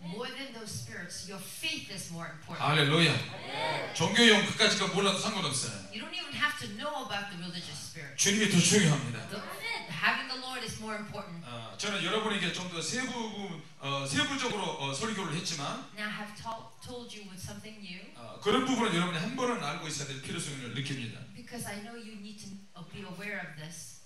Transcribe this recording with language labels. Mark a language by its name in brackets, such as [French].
[English] More than those spirits, your faith is more important. [Korean] 할렐루야. 종교 영 끝까지가 몰라도 상관없어요. [English] You don't even have to know about the religious spirit. [Korean] 주님이 더 중요합니다. [English] Having the Lord is more important. [Korean] 저는 여러분에게 좀 더 세부적으로 설교를 했지만 [English] Now I've told you with something new. [Korean] 그런 부분은 여러분이 한 번은 알고 있어야 될 필요성을 느낍니다. [English] Because I know you need to be aware of this.